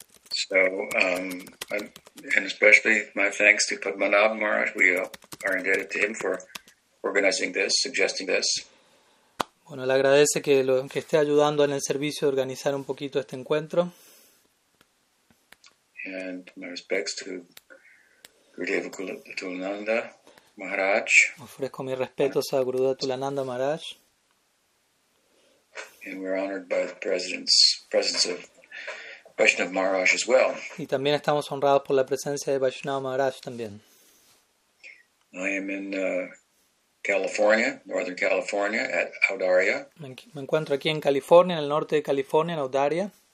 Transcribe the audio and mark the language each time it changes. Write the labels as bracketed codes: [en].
[en] So, and especially my thanks to Padmanabha Maharaj. We are indebted to him for organizing this, suggesting this. [es] Bueno, le agradece que esté ayudando en el servicio de organizar un poquito este encuentro. [en] And my respects to Gurudev Tulananda Maharaj. [es] Ofrezco mis respetos a Gurudev Tulananda Maharaj. [en] And we're honored by the presence of Vaishnava Maharaj as well. [es] Y también estamos honrados por la presencia de Vaishnava Maharaj también. [en] I am in California, Northern California, at Audaria. [es] Me encuentro aquí en California, en el norte de California, en Audaria.